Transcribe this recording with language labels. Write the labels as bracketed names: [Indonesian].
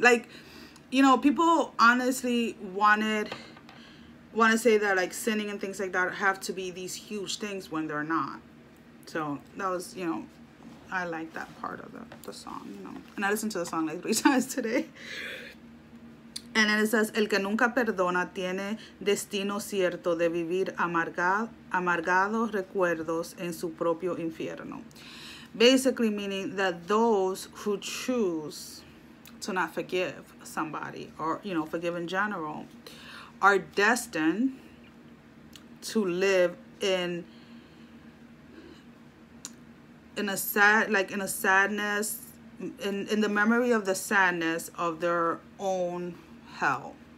[English] Like, you know, people honestly want to say that, like, sinning and things like that have to be these huge things when they're not. So that was, you know, I like that part of the song, you know. And I listened to the song like 3 times today. And then it says, [Spanish] el que nunca perdona tiene destino cierto de vivir amargados recuerdos en su propio infierno. [English] Basically meaning that those who choose to not forgive somebody, or, you know, forgive in general, are destined to live in a sadness, in the memory of the sadness of their own hell.